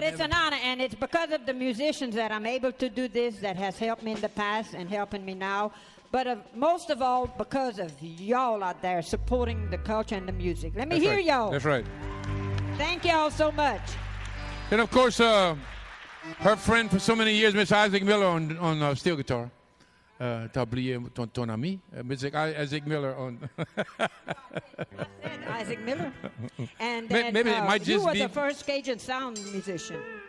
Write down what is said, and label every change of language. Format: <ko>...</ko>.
<en>But it's an honor, and it's because of the musicians that I'm able to do this that has helped me in the past and helping me now. But most of all, because of y'all out there supporting the culture and the music. Let me hear y'all. That's right. Thank y'all so much. And, of course, her friend for so many years, Miss Isaac Miller on steel guitar.</en> <fr>T'as oublié ton ami, Isaac Miller on.</fr> <en>Isaac Miller. And then maybe it might just be the first Cajun sound musician.</en>